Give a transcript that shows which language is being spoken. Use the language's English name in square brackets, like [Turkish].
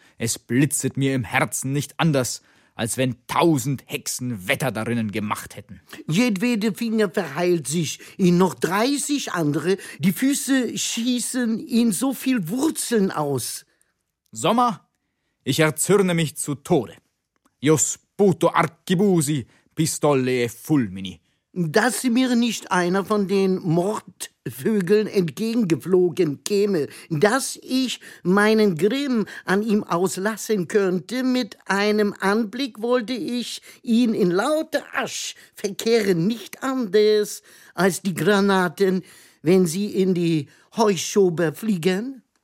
[German] Es blitzet mir im Herzen nicht anders, als wenn 1000 Hexen Wetter darinnen gemacht hätten. Jedwede Finger verheilt sich in noch 30 andere, die Füße schießen in so viel Wurzeln aus. Sommer, ich erzürne mich zu Tode. [Italian] Io sputo arquebusi, pistole e fulmini. [German] Dass mir nicht einer von den Mordvögeln entgegengeflogen käme, dass ich meinen Grimm an ihm auslassen könnte, mit einem Anblick wollte ich ihn in lauter Asch verkehren, nicht anders als die Granaten, wenn sie in die Heuschober fliegen.